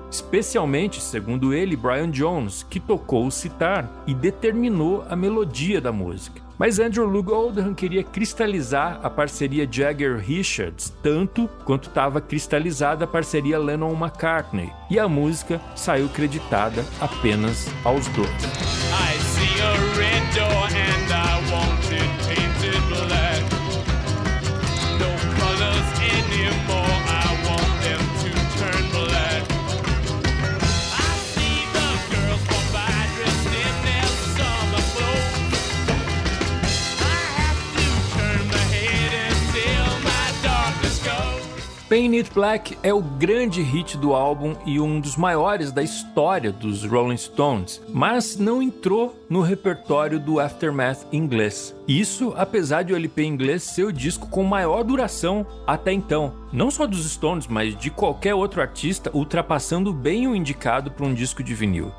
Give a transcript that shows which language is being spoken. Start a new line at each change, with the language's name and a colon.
Portuguese: Especialmente, segundo ele, Brian Jones, que tocou o sitar e determinou a melodia da música. Mas Andrew Lou Goldham queria cristalizar a parceria Jagger-Richards tanto quanto estava cristalizada a parceria Lennon-McCartney. E a música saiu creditada apenas aos dois.
English: I see a red door and I want it painted black. No colors anymore, I want them to turn black. I see the girls go by dressed in their summer clothes. I have to turn my head until my darkness goes.
Portuguese: Paint It Black é o grande hit do álbum e um dos maiores da história dos Rolling Stones, mas não entrou no repertório do Aftermath inglês. Isso apesar de o LP inglês ser o disco com maior duração até então. Não só dos Stones, mas de qualquer outro artista, ultrapassando bem o indicado para um disco de vinil.